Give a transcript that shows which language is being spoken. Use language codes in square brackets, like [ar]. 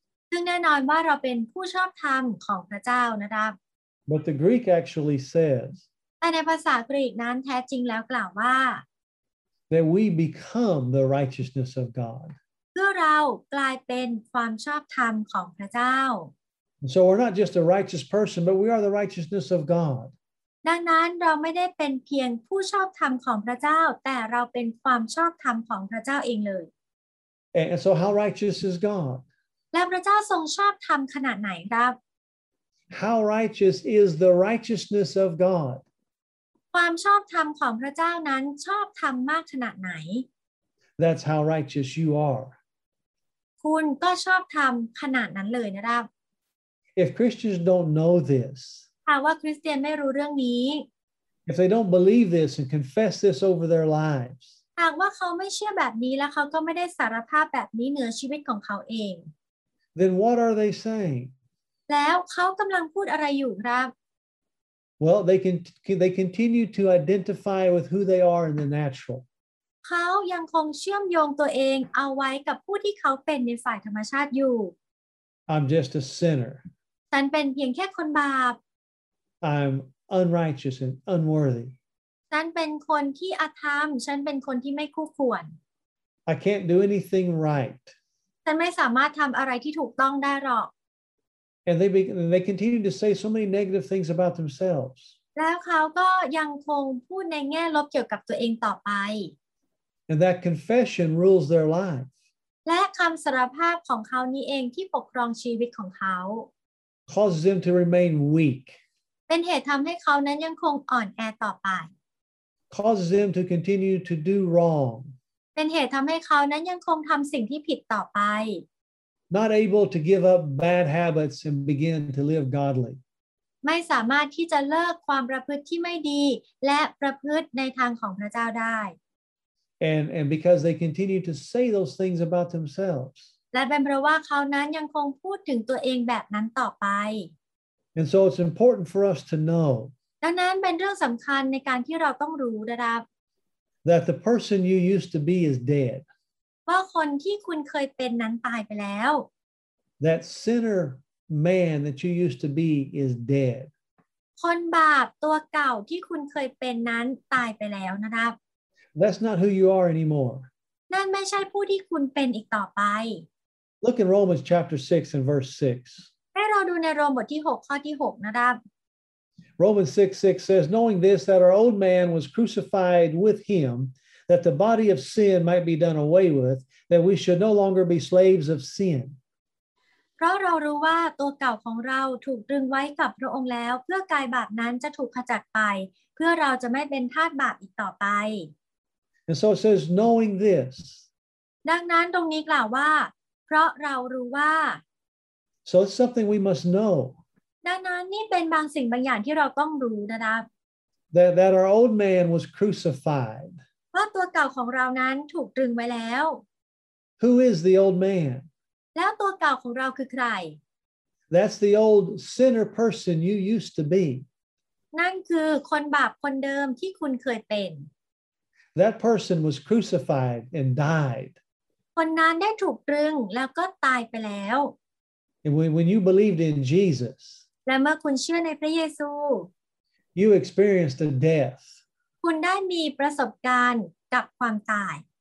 [th] ซึ่งแน่นอนว่าเราเป็นผู้ชอบธรรมของพระเจ้านะครับ [en] But the Greek actually says. [th] แต่ในภาษากรีกนั้นแท้จริงแล้วกล่าวว่า [en] That we become the righteousness of God. [th] เพื่อเรากลายเป็นความชอบธรรมของพระเจ้า [en] So we're not just a righteous person, but we are the righteousness of God. [th] ดังนั้นเราไม่ได้เป็นเพียงผู้ชอบธรรมของพระเจ้าแต่เราเป็นความชอบธรรมของพระเจ้าเองเลย [en] And so how righteous is God? [th] และพระเจ้าทรงชอบธรรมขนาดไหนครับ [en] How righteous is the righteousness of God? [th] ความชอบธรรมของพระเจ้านั้นชอบธรรมมากขนาดไหน [en] That's how righteous you are. [th] คุณก็ชอบธรรมขนาดนั้นเลยนะครับ [en] If Christians don't know this. [th] ถ้าว่าคริสเตียนไม่รู้เรื่องนี้ [en] If they don't believe this and confess this over their lives. [th] หากว่าเขาไม่เชื่อแบบนี้แล้วเขาก็ไม่ได้สารภาพแบบนี้เหนือชีวิตของเขาเอง [en] Then what are they saying? [th] แล้วเขากำลังพูดอะไรอยู่ครับ [en] Well, they continue to identify with who they are in the natural. [th] เขายังคงเชื่อมโยงตัวเองเอาไว้กับผู้ที่เขาเป็นในฝ่ายธรรมชาติอยู่ [en] I'm just a sinner. [th] ฉันเป็นเพียงแค่คนบาป [en] I'm unrighteous and unworthy. [th] ฉันเป็นคนที่อธรรมฉันเป็นคนที่ไม่คู่ควร [en] I can't do anything right. [th] ฉันไม่สามารถทำอะไรที่ถูกต้องได้หรอก [en] And they continue to say so many negative things about themselves. [th] แล้วเขาก็ยังคงพูดในแง่ลบเกี่ยวกับตัวเองต่อไป [en] And that confession rules their life. [th] และคำสารภาพของเขานี้เองที่ปกครองชีวิตของเขา [en] causes them to remain weak. [th] เป็นเหตุทำให้เขานั้นยังคงอ่อนแอต่อไป [en] causes them to continue to do wrong. [th] เป็นเหตุทำให้เขานั้นยังคงทำสิ่งที่ผิดต่อไป [en] Not able to give up bad habits and begin to live godly. [th] ไม่สามารถที่จะเลิกความประพฤติที่ไม่ดีและประพฤติในทางของพระเจ้าได้ [en] And because they continue to say those things about themselves. [th] และเป็นเพราะว่าเขานั้นยังคงพูดถึงตัวเองแบบนั้นต่อไป [en] And so it's important for us to know [th] ดังนั้นเป็นเรื่องสำคัญในการที่เราต้องรู้นะครับ [en] That the person you used to be is dead [th] ว่าคนที่คุณเคยเป็นนั้นตายไปแล้ว [en] That sinner man that you used to be is dead [th] คนบาปตัวเก่าที่คุณเคยเป็นนั้นตายไปแล้วนะครับ [en] That's not who you are anymore [th] นั่นไม่ใช่ผู้ที่คุณเป็นอีกต่อไป [en] Look in Romans chapter 6 and verse 6. [th] ให้เราดูในโรมบทที่6ข้อที่6นะครับ [en] Romans 6:6 says, Knowing this, that our old man was crucified with him, that the body of sin might be done away with, that we should no longer be slaves of sin. [th] เพราะเรารู้ว่าตัวเก่าของเราถูกตรึงไว้กับพระองค์แล้วเพื่อกายบาปนั้นจะถูกขจัดไปเพื่อเราจะไม่เป็นทาสบาปอีกต่อไป [en] And so it says, Knowing this. [th] ดังนั้นตรงนี้กล่าวว่าเพราะเรารู้ว่า [en] So it's something we must know. [th] ดังนั้นนี่เป็นบางสิ่งบางอย่างที่เราต้องรู้นะครับ [en] That our old man was crucified. [th] ว่าตัวเก่าของเรานั้นถูกตรึงไว้แล้ว [en] Who is the old man? [th] แล้วตัวเก่าของเราคือใคร [en] That's the old sinner person you used to be. [th] นั่นคือคนบาปคนเดิมที่คุณเคยเป็น [en] That person was crucified and died. [th] คนนั้นได้ถูกตรึงแล้วก็ตายไปแล้ว [en] When you believed in Jesus [th] และเมื่อคุณเชื่อในพระเยซู [en] You experienced a death [th] คุณได้มีประสบการณ์กับความตาย